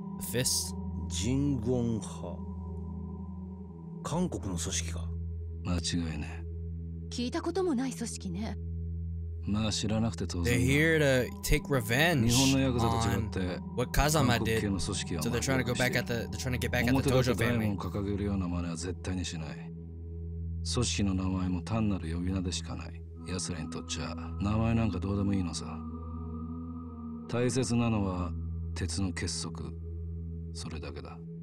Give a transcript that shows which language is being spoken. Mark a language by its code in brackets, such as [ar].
[en] Fist [ja] 仁ゴン派韓国の組織か間違いねえ聞いたこともない組織ね。まあ知らなくて当然。 [en] They're here to take revenge. [ja] 日本のヤクザと違って、 [en] What Kazama did. So they're trying to go back at the, they're trying to get back at the Tojo family. [ja] 表立って大門を掲げるような真似は絶対にしない。組織の名前も単なる呼び名でしかない。奴らにとっちゃ名前なんかどうでもいいのさ。大切なのは鉄の結束、それだけだ。